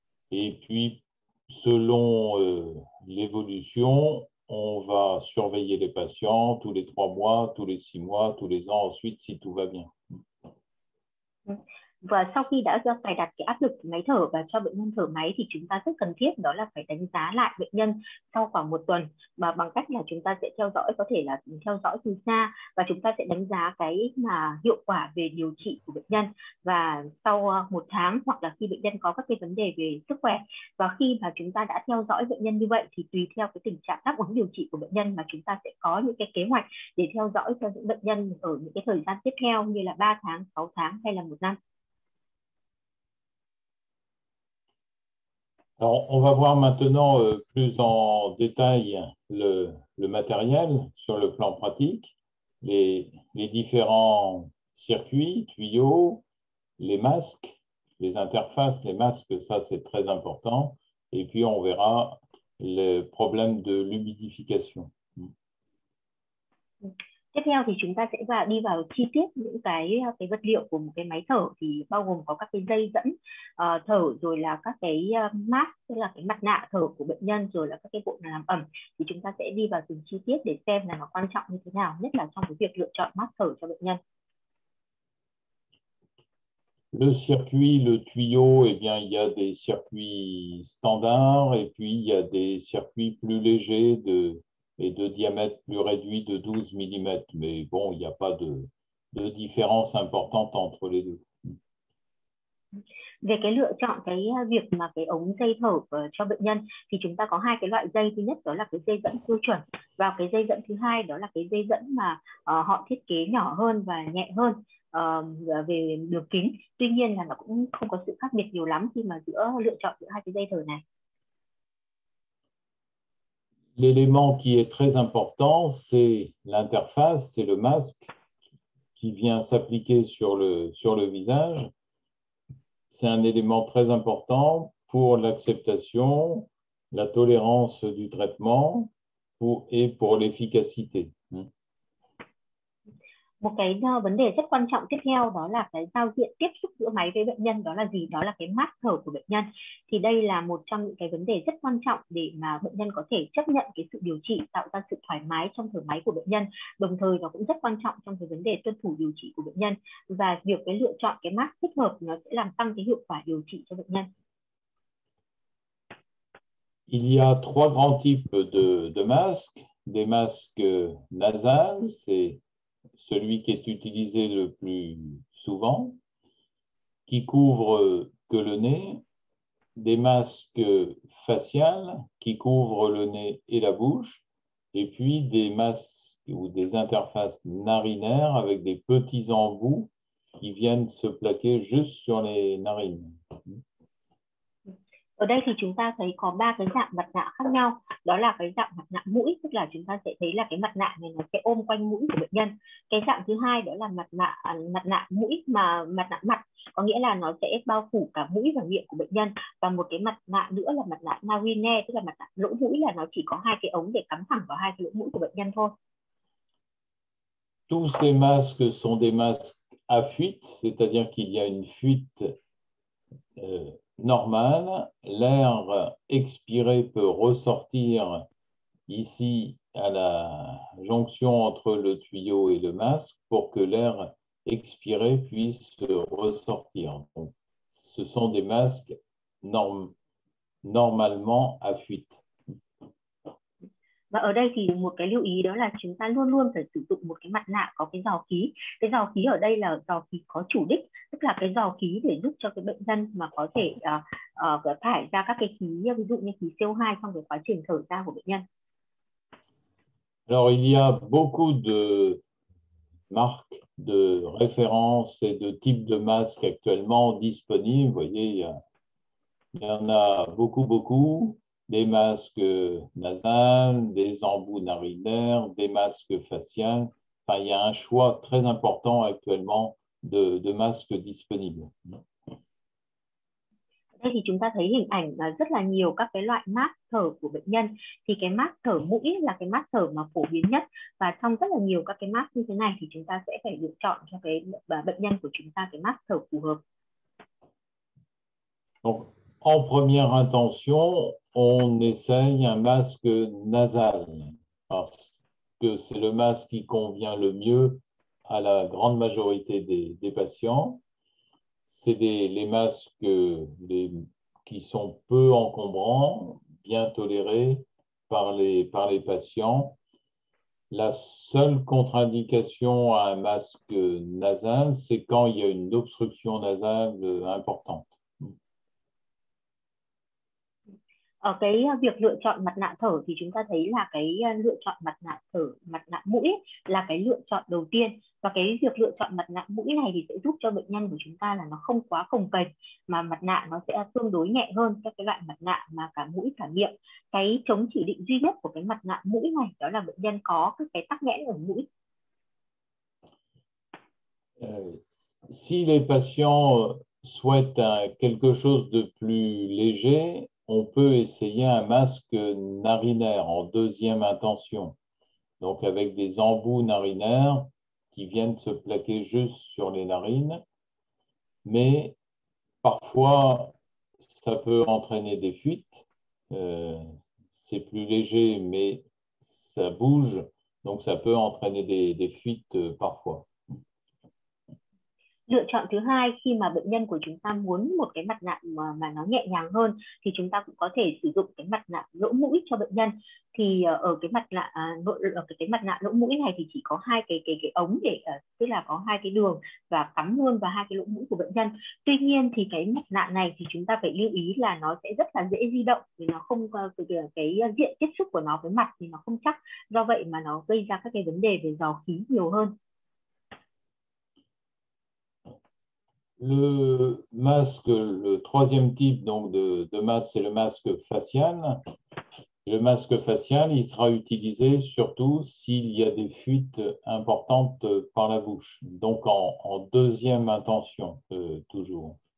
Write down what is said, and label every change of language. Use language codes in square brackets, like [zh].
[fr] Et puis, selon l'évolution, on va surveiller les patients tous les 3 mois, tous les 6 mois, tous les ans, ensuite, si tout va bien. [vi] Và sau khi đã cài đặt cái áp lực máy thở và cho bệnh nhân thở máy thì chúng ta rất cần thiết đó là phải đánh giá lại bệnh nhân sau khoảng 1 tuần, mà bằng cách là chúng ta sẽ theo dõi, có thể là theo dõi từ xa, và chúng ta sẽ đánh giá cái mà hiệu quả về điều trị của bệnh nhân. Và sau 1 tháng hoặc là khi bệnh nhân có các cái vấn đề về sức khỏe, và khi mà chúng ta đã theo dõi bệnh nhân như vậy thì tùy theo cái tình trạng đáp ứng điều trị của bệnh nhân mà chúng ta sẽ có những cái kế hoạch để theo dõi cho những bệnh nhân ở những cái thời gian tiếp theo, như là 3 tháng, 6 tháng hay là 1 năm. [fr] Alors, on va voir maintenant plus en détail le matériel sur le plan pratique, les différents circuits, tuyaux, les masques, les interfaces, les masques, ça c'est très important. Et puis on verra le problème de l'humidification. [vi] Tiếp theo thì chúng ta sẽ vào đi vào chi tiết những cái vật liệu của một cái máy thở, thì bao gồm có các cái dây dẫn thở, rồi là các cái mask, tức là cái mặt nạ thở của bệnh nhân, rồi là các cái bộ làm ẩm. Thì chúng ta sẽ đi vào từng chi tiết để xem là nó quan trọng như thế nào, nhất là trong cái việc lựa chọn mask thở cho bệnh nhân. [fr] Le circuit, le tuyau, eh bien, il y a des circuits standards et puis il y a des circuits plus légers de diamètre plus réduit de 12 mm. Mais bon, il n'y a pas de différence importante entre les deux. [vi] Về cái lựa chọn cái việc mà cái ống dây thở cho bệnh nhân thì chúng ta có hai cái loại dây. Thứ nhất đó là cái dây dẫn tiêu chuẩn, và cái dây dẫn thứ hai đó là cái dây dẫn mà họ thiết kế nhỏ hơn và nhẹ hơn về đường kính. Tuy nhiên là nó cũng không có sự khác biệt nhiều lắm khi mà giữa lựa chọn giữa hai cái dây thở này. [fr] L'élément qui est très important, c'est l'interface, c'est le masque qui vient s'appliquer sur le visage. C'est un élément très important pour l'acceptation, la tolérance du traitement et pour l'efficacité. [vi] Một cái vấn đề rất quan trọng tiếp theo đó là cái giao diện tiếp xúc giữa máy với bệnh nhân, đó là gì? Đó là cái mask thở của bệnh nhân. Thì đây là một trong những cái vấn đề rất quan trọng để mà bệnh nhân có thể chấp nhận cái sự điều trị, tạo ra sự thoải mái trong thở máy của bệnh nhân. Đồng thời nó cũng rất quan trọng trong cái vấn đề tuân thủ điều trị của bệnh nhân. Và việc cái lựa chọn cái mask thích hợp nó sẽ làm tăng cái hiệu quả điều trị cho bệnh nhân. [fr] Il y a trois grands types de masques. Des masques nasales, c'est celui qui est utilisé le plus souvent, qui couvre que le nez, des masques faciales qui couvrent le nez et la bouche, et puis des masques ou des interfaces narinaires avec des petits embouts qui viennent se plaquer juste sur les narines. [vi] Ở đây thì chúng ta thấy có ba cái dạng mặt nạ khác nhau, đó là cái dạng mặt nạ mũi, tức là chúng ta sẽ thấy là cái mặt nạ này nó sẽ ôm quanh mũi của bệnh nhân. Cái dạng thứ hai đó là mặt nạ mũi mà mặt nạ mặt, có nghĩa là nó sẽ bao phủ cả mũi và miệng của bệnh nhân. Và một cái mặt nạ nữa là mặt nạ narine, tức là mặt nạ lỗ mũi, là nó chỉ có hai cái ống để cắm thẳng vào hai cái lỗ mũi của bệnh nhân thôi. [fr] Tous ces masques sont des masques à fuite, c'est-à-dire qu'il y a une fuite normal, l'air expiré peut ressortir ici à la jonction entre le tuyau et le masque pour que l'air expiré puisse ressortir. Donc, ce sont des masques normalement à fuite. [vi] Và ở đây thì một cái lưu ý đó là chúng ta luôn luôn phải sử dụng một cái mặt nạ có cái giò khí. Cái giò khí ở đây là giò khí có chủ đích, tức là cái giò khí để giúp cho cái bệnh nhân mà có thể thải ra các cái khí, ví dụ như khí CO2 trong cái quá trình thở ra của bệnh nhân. [fr] Alors, il y a beaucoup de marques de référence et de types de masques actuellement disponibles. Vous voyez, il y en a beaucoup, beaucoup. Des masques nasales, des embouts narinaires, des masques faciales. Enfin, il y a un choix très important actuellement de masques disponibles. [vi] Đây thì chúng ta thấy hình ảnh rất là nhiều các cái loại mask thở của bệnh nhân. Thì cái mask thở mũi là cái mask thở mà phổ biến nhất, và trong rất là nhiều các cái mask như thế này thì chúng ta sẽ phải lựa chọn cho cái bệnh nhân của chúng ta cái mask thở phù hợp. [fr] Donc, en première intention, on essaye un masque nasal parce que c'est le masque qui convient le mieux à la grande majorité des patients. C'est les masques qui sont peu encombrants, bien tolérés par les patients. La seule contre-indication à un masque nasal, c'est quand il y a une obstruction nasale importante. [vi] Ở cái việc lựa chọn mặt nạ thở thì chúng ta thấy là cái lựa chọn mặt nạ thở, mặt nạ mũi ấy, là cái lựa chọn đầu tiên. Và cái việc lựa chọn mặt nạ mũi này thì sẽ giúp cho bệnh nhân của chúng ta là nó không quá cồng kềnh, mà mặt nạ nó sẽ tương đối nhẹ hơn các cái loại mặt nạ mà cả mũi cả miệng. Cái chống chỉ định duy nhất của cái mặt nạ mũi này đó là bệnh nhân có cái tắc nghẽn ở mũi. [fr] Si les patients souhaitent quelque chose de plus léger, on peut essayer un masque narinaire en deuxième intention, donc avec des embouts narinaires qui viennent se plaquer juste sur les narines, mais parfois ça peut entraîner des fuites, c'est plus léger mais ça bouge, donc ça peut entraîner des fuites parfois. [vi] Lựa chọn thứ hai, khi mà bệnh nhân của chúng ta muốn một cái mặt nạ mà nó nhẹ nhàng hơn thì chúng ta cũng có thể sử dụng cái mặt nạ lỗ mũi cho bệnh nhân. Thì ở cái mặt nạ lỗ mũi này thì chỉ có hai cái ống, để tức là có hai cái đường và cắm luôn vào hai cái lỗ mũi của bệnh nhân. Tuy nhiên thì cái mặt nạ này thì chúng ta phải lưu ý là nó sẽ rất là dễ di động, vì nó không cái diện tiếp xúc của nó với mặt thì nó không chắc, do vậy mà nó gây ra các cái vấn đề về dò khí nhiều hơn. [fr] Le masque, le troisième type donc de masque, c'est le masque facial. Le masque facial, il sera utilisé surtout s'il y a des fuites importantes par la bouche, donc en deuxième intention, toujours.